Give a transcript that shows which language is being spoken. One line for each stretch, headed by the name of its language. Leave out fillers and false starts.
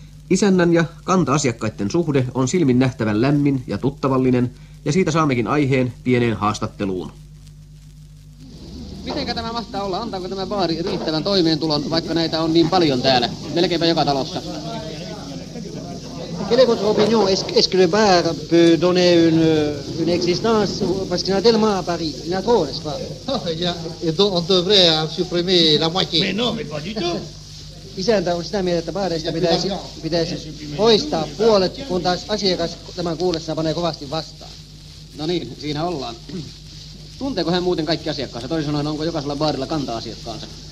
Finnish: Isännän ja kanta-asiakkaiden suhde on silmin nähtävän lämmin ja tuttavallinen, ja siitä saammekin aiheen pieneen haastatteluun. Mitenkä tämä mahtaa olla? Antaako tämä baari riittävän toimeentulon, vaikka näitä on niin paljon täällä, melkeinpä joka talossa?
French: Quelle votre opinion? Est-ce que le bar peut donner une existence? Parce qu'il y en a tellement à Paris. Il y en a trop, n'est-ce pas? Oh, il y a, et donc on devrait supprimer la moitié. Mais non, mais pas du tout.
Finnish: isäntä on sitä mieltä, että baareista pitäisi poistaa puolet, kun taas asiakas tämän kuullessa panee kovasti vastaan. No niin, siinä ollaan. Tunteeko hän muuten kaikki asiakkaansa? Toisin sanoen, onko jokaisella baarilla kanta-asiakkaansa?